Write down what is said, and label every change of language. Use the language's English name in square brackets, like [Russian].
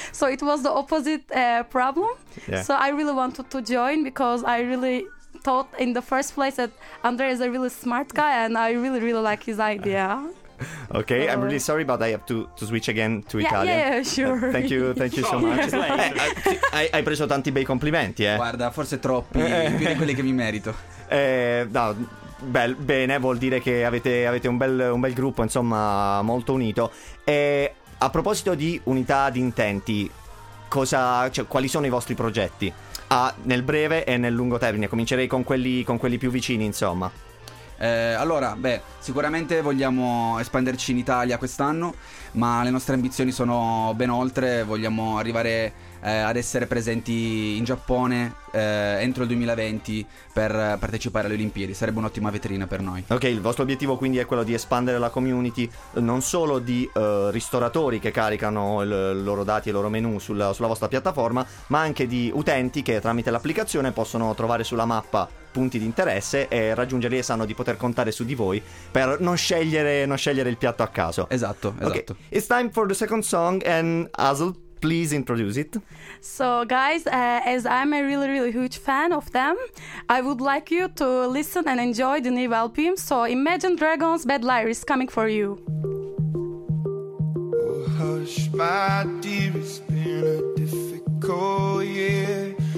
[English] So it was the opposite problem. Yeah. So I really wanted to join because I really... thought in the first place that Andre is a really smart guy, and I really, really like his idea. Okay, I'm really sorry, but I have to switch again to Italian. Yeah, sure. Thank you so much. [Italian] Hai preso tanti bei complimenti, eh? Guarda, forse troppi, più di quelli che mi merito. Bene, vuol dire che avete un bel gruppo, insomma, molto unito. E a proposito di unità di intenti, quali sono i vostri progetti? Nel breve e nel lungo termine, comincerei con quelli più vicini, insomma. Allora, sicuramente vogliamo espanderci in Italia quest'anno, ma le nostre ambizioni sono ben oltre. Vogliamo arrivare ad essere presenti in Giappone entro il 2020 per partecipare alle Olimpiadi. Sarebbe un'ottima vetrina per noi. Ok, il vostro obiettivo quindi è quello di espandere la community non solo di ristoratori che caricano i loro dati e il loro menu sulla vostra piattaforma, ma anche di utenti che tramite l'applicazione possono trovare sulla mappa punti di interesse e raggiungerli e sanno di poter contare su di voi per non scegliere il piatto a caso. Esatto. [English] Okay. It's time for the second song, and Hazel, please introduce it. So guys, as I'm a really, really huge fan of them, I would like you to listen and enjoy the new album. So Imagine Dragons, Bad Liar is coming for you. Oh, hush, my dear, it's been a difficult year.